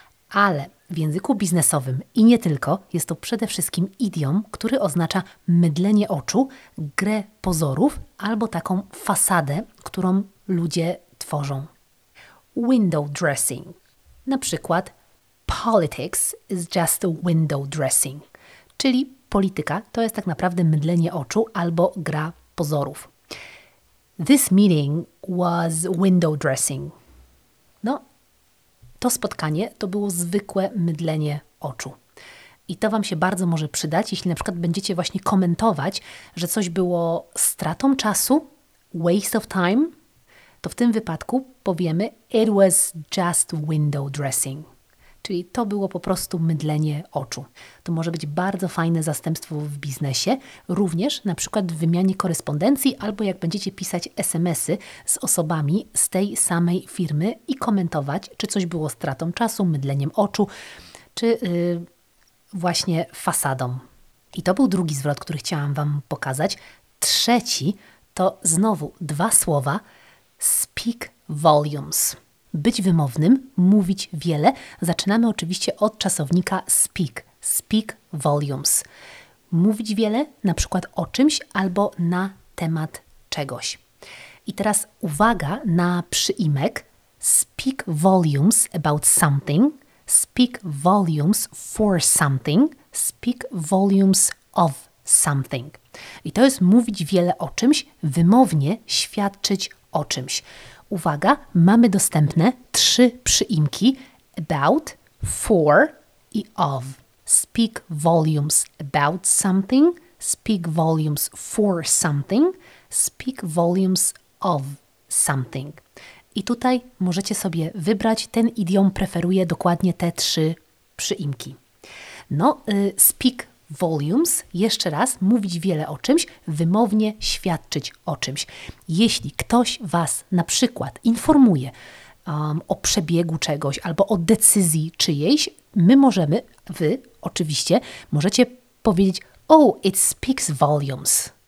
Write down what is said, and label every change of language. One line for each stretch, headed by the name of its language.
Polish: Ale w języku biznesowym i nie tylko jest to przede wszystkim idiom, który oznacza mydlenie oczu, grę pozorów albo taką fasadę, którą ludzie tworzą.
English: Window dressing.
Polish: Na przykład
English: politics is just a window dressing.
Polish: Czyli polityka to jest tak naprawdę mydlenie oczu albo gra pozorów.
English: This meeting was window dressing.
Polish: No, to spotkanie to było zwykłe mydlenie oczu. I to Wam się bardzo może przydać, jeśli na przykład będziecie właśnie komentować, że coś było stratą czasu,
English: waste of time,
Polish: to w tym wypadku powiemy
English: it was just window dressing.
Polish: Czyli to było po prostu mydlenie oczu. To może być bardzo fajne zastępstwo w biznesie, również na przykład w wymianie korespondencji albo jak będziecie pisać SMS-y z osobami z tej samej firmy i komentować, czy coś było stratą czasu, mydleniem oczu, czy właśnie fasadą. I to był drugi zwrot, który chciałam Wam pokazać. Trzeci to znowu dwa słowa,
English: speak volumes.
Polish: Być wymownym, mówić wiele. Zaczynamy oczywiście od czasownika speak.
English: Speak volumes.
Polish: Mówić wiele, na przykład o czymś albo na temat czegoś. I teraz uwaga na przyimek.
English: Speak volumes about something. Speak volumes for something. Speak volumes of something.
Polish: I to jest mówić wiele o czymś, wymownie świadczyć o czymś. Uwaga, mamy dostępne trzy przyimki about, for i of.
English: Speak volumes about something, speak volumes for something, speak volumes of something.
Polish: I tutaj możecie sobie wybrać, ten idiom preferuje dokładnie te trzy przyimki. No,
English: speak volumes,
Polish: jeszcze raz, mówić wiele o czymś, wymownie świadczyć o czymś. Jeśli ktoś Was na przykład informuje o przebiegu czegoś albo o decyzji czyjejś, my możemy, Wy oczywiście, możecie powiedzieć
English: oh, it speaks volumes.